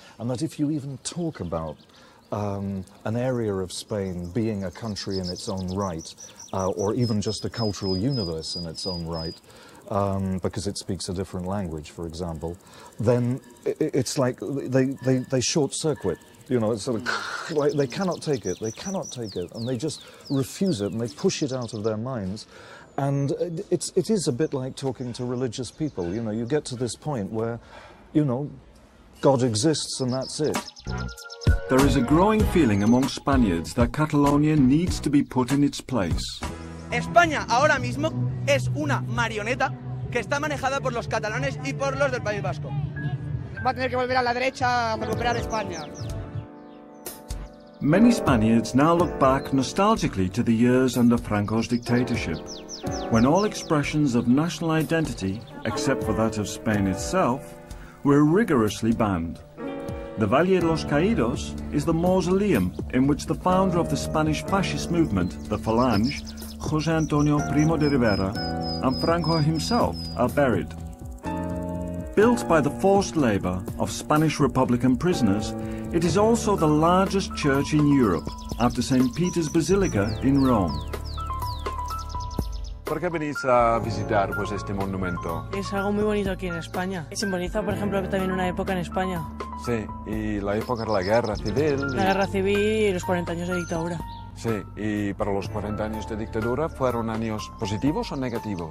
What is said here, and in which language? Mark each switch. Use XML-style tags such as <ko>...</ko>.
<en>And that if you even talk about an area of Spain being a country in its own right, or even just a cultural universe in its own right, because it speaks a different language, for example, then it's like they short circuit, you know, it's sort of like they cannot take it, and they just refuse it, and they push it out of their minds, And it is a bit like talking to religious people. You know, you get to this point where, you know, God exists and that's it. There is a growing feeling among Spaniards that Catalonia needs to be put in its place.</en> <es>España ahora mismo es una marioneta que está manejada por los catalanes y por los del País Vasco. Va a tener que volver a la derecha a recuperar España.</es> <en>Many Spaniards now look back nostalgically to the years under Franco's dictatorship, when all expressions of national identity, except for that of Spain itself, were rigorously banned. The Valle de los Caídos is the mausoleum in which the founder of the Spanish fascist movement, the Falange, José Antonio Primo de Rivera, and Franco himself are buried. Built by the forced labor of Spanish Republican prisoners, it is also the largest church in Europe, after St. Peter's Basilica in Rome.</en> <es>¿Por qué venís a visitar pues este monumento? Es algo muy bonito aquí en España. Simboliza, por ejemplo, también una época en España. Sí, y la época de la guerra civil. La guerra civil y los 40 años de dictadura. Sí, y para los 40 años de dictadura, ¿fueron años positivos o negativos?</es>